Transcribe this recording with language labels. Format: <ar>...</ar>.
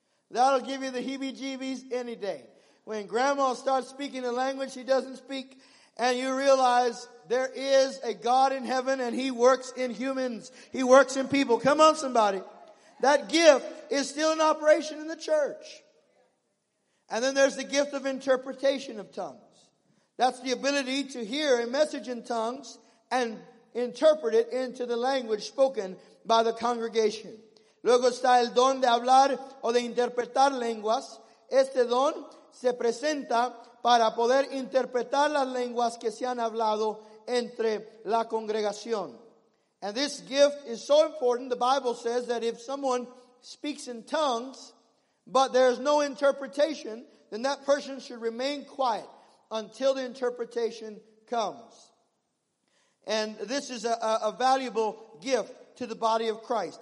<en>That'll give you the heebie-jeebies any day. When grandma starts speaking a language she doesn't speak, and you realize there is a God in heaven and He works in humans. He works in people. Come on, somebody. That gift is still in operation in the church. And then there's the gift of interpretation of tongues. That's the ability to hear a message in tongues and interpret it into the language spoken by the congregation.</en> <es>Luego está el don de hablar o de interpretar lenguas. Este don se presenta para poder interpretar las lenguas que se han hablado entre la congregación.</es> <en>And this gift is so important, the Bible says that if someone speaks in tongues, but there is no interpretation, then that person should remain quiet until the interpretation comes. And this is a valuable gift to the body of Christ.</en>